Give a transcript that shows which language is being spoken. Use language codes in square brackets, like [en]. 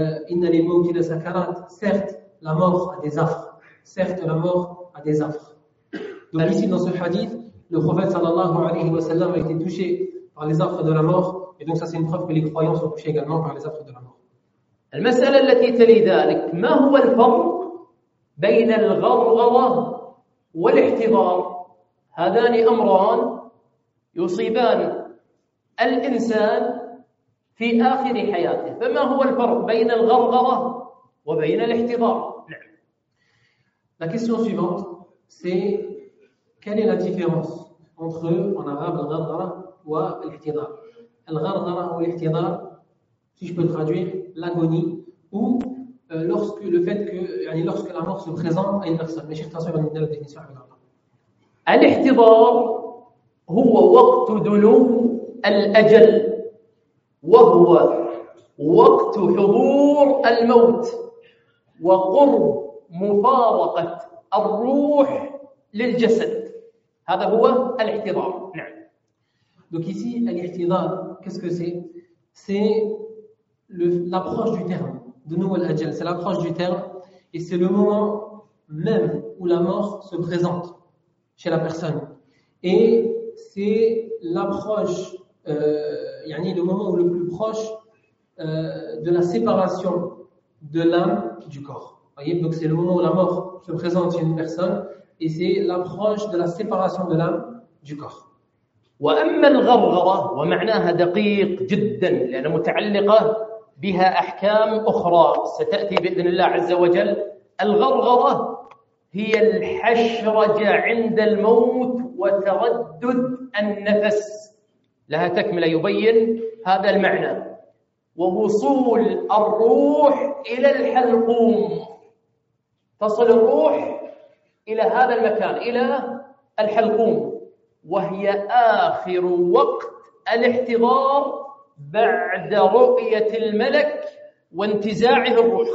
[ar] Inna lil mawti sakarat, [fr] certes la mort a des affres, certes la mort a des affres. Donc ici dans ce hadith, le prophète sallallahu alayhi wa sallam a été touché par les affres de la mort et donc ça c'est une preuve que les croyants sont touchés également par les affres de la mort. [ar] Al mas'ala allati tali dhalik, ma huwa al farq بين الغرغرة والاحتضار هذان أمران يصيبان الإنسان في آخر حياته فما هو الفرق بين الغرغرة وبين الاحتضار؟ نعم. [fr] La question suivante, c'est quelle est la différence entre eux en arabe, al-gharghara ou al-ihtidar. Al-gharghara ou al-ihtidar, si je peux traduire, l'agonie ou lorsque le fait que, yani lorsque la mort se présente à une personne. Mais je vais traduire la définition de l'ihtidar. [ar] Al-ihtidar, هو وقت دنو الأجل وهو وقت حضور الموت وقرب مفارقة الروح للجسد. هذا هو الاحتضار. نعم. [fr] Donc ici الاحتضار, qu'est-ce que c'est? C'est l'approche du terme. De nouveau l'ajal, c'est l'approche du terme et c'est le moment même où la mort se présente chez la personne. Et c'est l'approche, yani le moment où le plus proche de la séparation de l'âme du corps. Voyez, donc c'est le moment où la mort se présente chez une personne et c'est l'approche de la séparation de l'âme du corps. [ar] وأما الغرغرة ومعناها دقيق جدا لأنها متعلقة بها أحكام أخرى ستأتي بإذن الله عز وجل. الغرغرة هي الحشرجة عند الموت وتردد النفس, لها تكملة يبين هذا المعنى, ووصول الروح إلى الحلقوم, تصل الروح إلى هذا المكان إلى الحلقوم, وهي آخر وقت الاحتضار بعد رؤية الملك وانتزاعه الروح.